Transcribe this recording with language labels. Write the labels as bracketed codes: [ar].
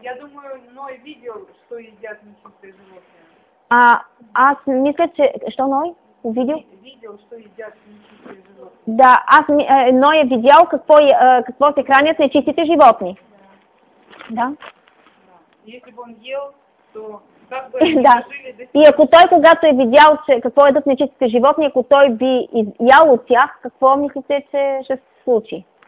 [ru] Я думаю, Ной видел, что едят нечистые животные. [bg] Аз мисля, че... Що Ной? [ru] Увидел? Видел, что едят нечистые животные. [bg] Да, Ной е видял какво се хранят нечистите животни. Да. [ru] Если бы он ел, то как бы они дожили [bg] до... И ако той, когато е видял, че какво едат нечистите животни, ако той би ял от тях, какво мислите, че ще се случи?